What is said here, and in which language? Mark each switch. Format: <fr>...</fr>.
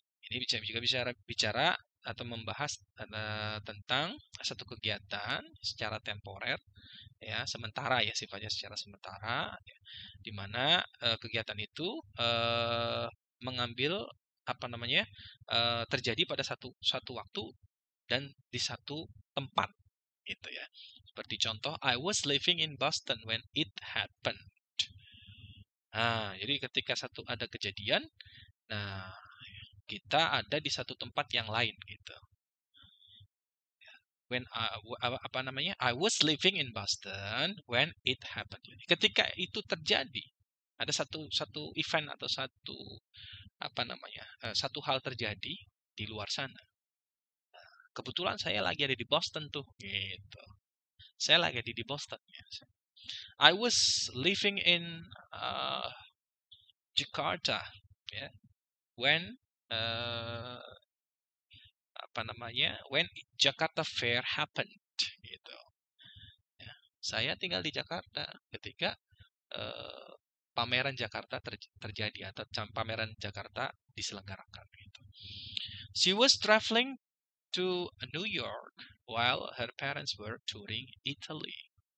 <id>Ini bisa juga bicara bicara atau membahas tentang satu kegiatan secara temporer, ya, sementara ya sifatnya secara sementara, ya, di mana kegiatan itu mengambil apa namanya terjadi pada satu suatu waktu dan di satu tempat, gitu ya. Seperti contoh,</id> <en>I was living in Boston when it happened.</en> <id>Nah, jadi ketika satu ada kejadian, nah kita ada di satu tempat yang lain, gitu.</id> <en>When</en> <id>apa namanya,</id> <en>I was living in Boston when it happened.</en> <id>Ketika itu terjadi, ada satu satu event atau satu apa namanya, satu hal terjadi di luar sana. Kebetulan saya lagi ada di Boston tuh, gitu. Saya lagi ada di Boston. Ya.</id> <en>I was living in Jakarta, ya, when</en> <id>apa namanya,</id> <en>when Jakarta Fair happened, gitu.</en> <id>Ya. Saya tinggal di Jakarta ketika pameran Jakarta terjadi atau pameran Jakarta diselenggarakan.</id> <en>Gitu. She was traveling to New York while her parents were touring Italy.</en>